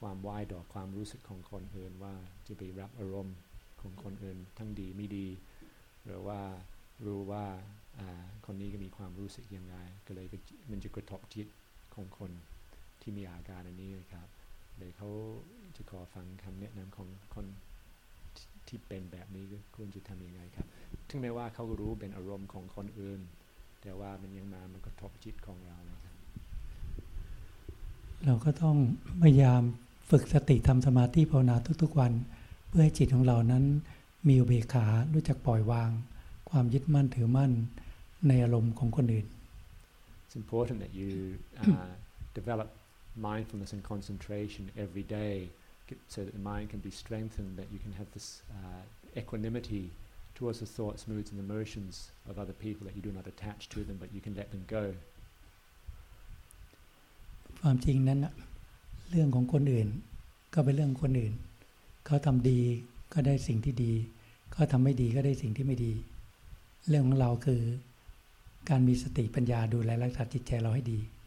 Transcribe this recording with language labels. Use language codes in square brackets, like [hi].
[th] ความวายดอกความรู้สึกของคนอื่นว่าจะไปรับอารมณ์ของคนอื่นทั้งดีไม่ดีหรือว่ารู้ว่าคนนี้ก็มีความรู้สึกยังไงก็เลยมันจะกระทบจิตของคนที่มีอาการอันนี้ครับเลยเขาจะขอฟังคำแนะนำของคนที่เป็นแบบนี้ควรจะทำยังไงครับถึงแม้ว่าเขาก็รู้เป็นอารมณ์ของคนอื่นแต่ว่ามันยังมันกระทบจิตของเราครับ เราก็ต้องพยายามฝึกสติทำสมาธิภาวนาทุกๆวันเพื่อให้จิตของเรานั้นมีอุเบกขารู้จักปล่อยวางความยึดมั่นถือมั่นในอารมณ์ของคนอื่น [en] It's important that you develop mindfulness and concentration every day so that the mind can be strengthened that you can have this equanimity towards the thoughts, moods and emotions of other people that you do not attach to them but you can let them go [th] ความจริงนั้นเรื่องของคนอื่นก็เป็นเรื่องคนอื่นเขาทำดีก็ได้สิ่งที่ดีเขาทำไม่ดีก็ได้สิ่งที่ไม่ดีเรื่องของเราคือการมีสติปัญญาดูแลรักษาจิตใจเราให้ดี